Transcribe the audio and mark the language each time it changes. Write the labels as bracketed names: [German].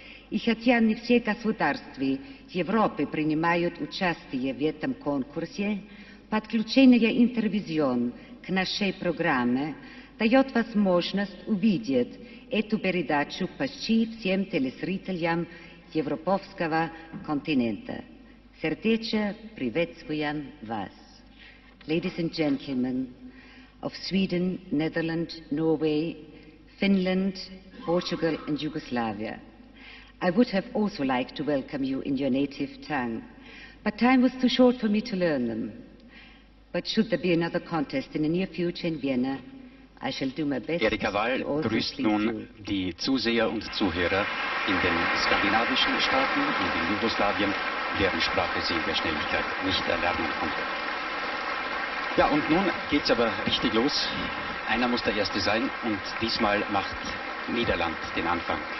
[Russian] И хотя не все государства Европы принимают участие в этом конкурсе, подключение Интервизион к нашей программе дает возможность увидеть эту передачу почти всем телезрителям Европейского континента. Сердечно приветствуем вас. [English] Ladies and gentlemen of Sweden, Netherlands, Norway, Finland, Portugal and Yugoslavia, I would have also liked to welcome you in your native tongue, but time was too short for me to learn them. But should there be another contest in the near future in Vienna, I shall do my best. [German] Erika Wall grüßt nun die Zuseher und Zuhörer in den skandinavischen Staaten und in Jugoslawien, deren Sprache sie in der Schnelligkeit nicht erlernen konnte. Ja, und nun geht's aber richtig los. Einer muss der Erste sein und diesmal macht Niederland den Anfang.